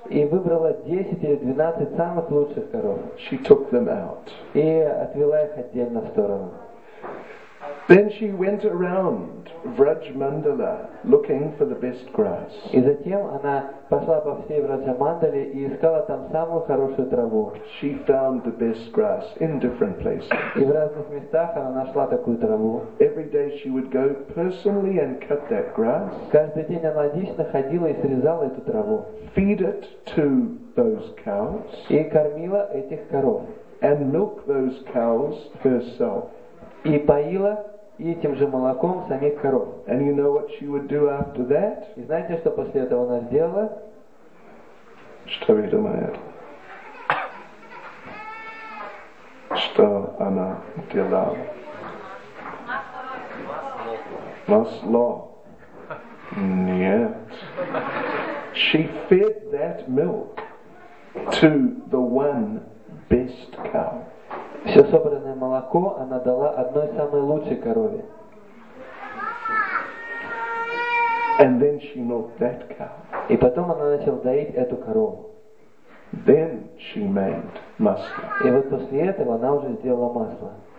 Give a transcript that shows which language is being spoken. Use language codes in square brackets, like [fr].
[ru] И выбрала 10 или 12 самых лучших коров. [en] She took them out. [ru] И отвела их отдельно в сторону. [en] Then she went around Vrajmandala, looking for the best grass. [ru] И затем она пошла по всей Враджамандале и искала там самую хорошую траву. [en] She found the best grass in different places. [ru] И в разных местах она нашла такую траву. [en] Every day she would go personally and cut that grass. [ru] Каждый день она лично ходила и срезала эту траву. [en] Feed it to those cows. [ru] И кормила этих коров. [en] And milk those cows herself. [ru] И поила и этим же молоком самих коров. [en] And you know what she would do after that? [ru] И знаете, что после этого она сделала? Что вы думаете? Что она делала? Масло. Нет. [en] She fed that milk to the one best cow. [ru] Все собранное молоко она дала одной самой лучшей корове. [en] And then she milked that cow. [ru] И потом она начала доить эту корову. [en] Then she made [ru] masla. И вот после этого она уже сделала масло.